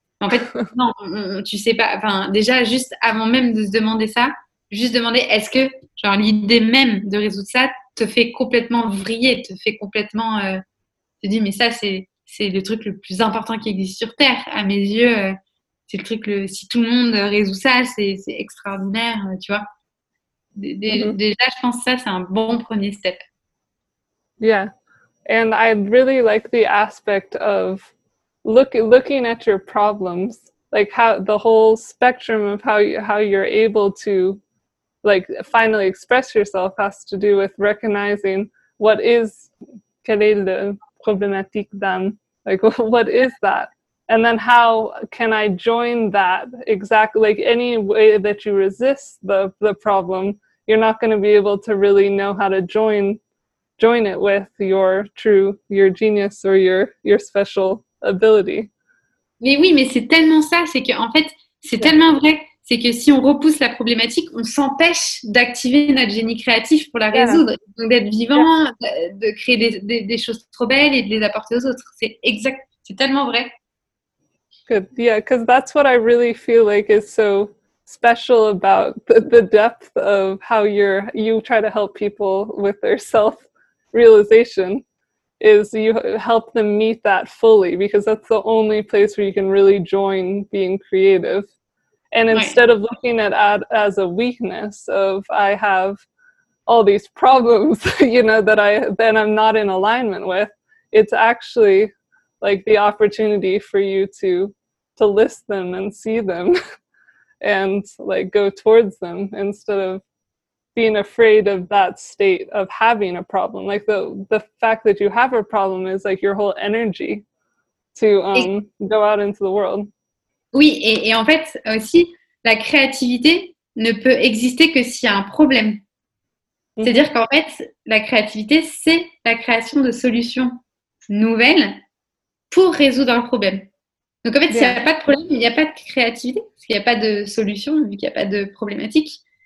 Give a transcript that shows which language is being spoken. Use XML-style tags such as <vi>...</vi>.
<fr>En fait, non, tu ne sais pas. Enfin, déjà, juste avant même de se demander ça, juste demander est-ce que genre, l'idée même de résoudre ça te fait complètement vriller, te fait complètement. Te dis, mais ça, c'est. C'est le truc le plus important qui existe sur Terre, à mes yeux. C'est le truc, si tout le monde résout ça, c'est extraordinaire, tu vois. Déjà, je pense que ça, c'est un bon premier step.</fr> <en>Yeah. And I really like the aspect of looking at your problems, like how the whole spectrum of how you're able to like finally express yourself has to do with recognizing what is Kalele. Problematic then, like what is that, and then how can I join that exactly, like any way that you resist the problem, you're not going to be able to really know how to join it with your genius or your special ability.</en> <fr>Mais oui, mais c'est tellement ça, c'est que en fait c'est tellement vrai, c'est que si on repousse la problématique, on s'empêche d'activer notre génie créatif pour la résoudre, donc d'être vivant, de créer des choses trop belles et de les apporter aux autres. C'est exact, c'est tellement vrai.</fr> <en>Good, yeah, because that's what I really feel like is so special about the depth of how you try to help people with their self-realization, is you help them meet that fully, because that's the only place where you can really join being creative. And instead of looking at it as a weakness of I have all these problems, you know, that I then I'm not in alignment with, it's actually like the opportunity for you to list them and see them and like go towards them instead of being afraid of that state of having a problem. Like the fact that you have a problem is like your whole energy to go out into the world.</en> <fr>Oui, et en fait, aussi, la créativité ne peut exister que s'il y a un problème. C'est-à-dire qu'en fait, la créativité, c'est la création de solutions nouvelles pour résoudre un problème. Donc, en fait, s'il n'y a pas de problème, il n'y a pas de créativité, parce qu'il n'y a pas de solution, vu qu'il n'y a pas de problématique.</fr>